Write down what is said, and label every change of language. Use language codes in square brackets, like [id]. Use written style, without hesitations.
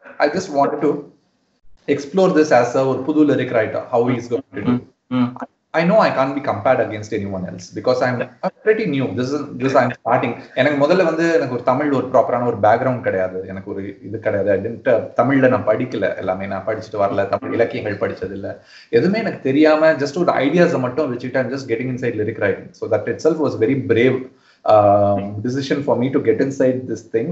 [en] I just want to explore this as a ஒரு புது lyric writer, how is going to do. I know know I can't be compared against anyone else because I'm pretty new. This I'm starting. [ta] எனக்கு முதல்ல வந்து எனக்கு ஒரு தமிழ் ஒரு ப்ராப்பரான ஒரு பேக்ரவுண்ட் கிடையாது, எனக்கு ஒரு இது கிடையாது. தமிழ்ல நான் படிக்கல, எல்லாமே நான் படிச்சுட்டு வரல, தமிழ் இலக்கியங்கள் படிச்சது இல்லை, எதுவுமே எனக்கு தெரியாம ஜஸ்ட் ஒரு ஐடியாஸை மட்டும் வச்சுட்டு [en] I'm just getting inside lyric writing. So that itself was very brave decision for me to get inside this thing.